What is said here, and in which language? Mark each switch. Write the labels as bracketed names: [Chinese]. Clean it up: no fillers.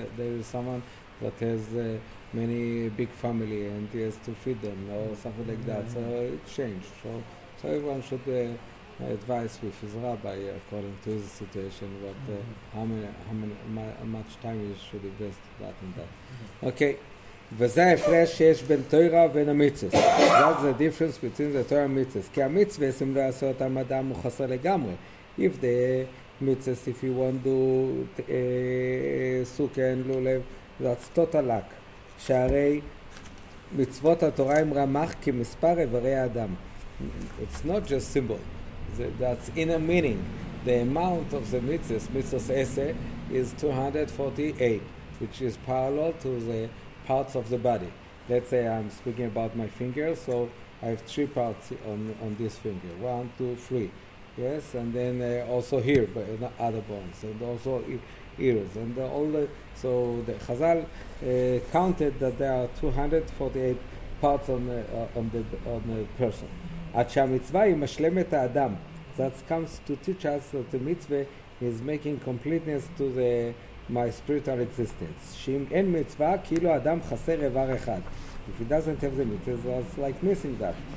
[English] There is someone that has many big family and he has to feed them or something like that. So it changed. So everyone should advise with his rabbi according to his situation what how much time he should invest that and that. Okay. [Hebrew] וזה ההפרש שיש בין תורה ובין המצוות. [English] That's the difference between the Torah and mitzvot. [Hebrew] כי המצוות, אם לא יעשה אותם אדם, הוא חסר לגמרי. [English] If the mitzvot, if you want to do סוכה and לולב, that's total luck. [Hebrew] שהרי מצוות התורה הם רמח כמספר איברי האדם. [English] It's not just symbol. That's inner meaning. The amount of the mitzvot, mitzvot esse, is 248. which is parallel to the parts of the body. Let's say I'm speaking about my finger, so I have three parts on this finger. 1, 2, 3. Yes, and then also here, but in other bones, and also ears. And so the Chazal counted that there are 248 parts on the person. [Hebrew] At shamitzvah yimashlemet ha'adam. [English] That comes to teach us that the mitzvah is making completeness to the my spiritual existence. [Hebrew] שאם אין מצווה, כאילו אדם חסר איבר אחד. [English] If he doesn't have the mitzvah, it's like missing that.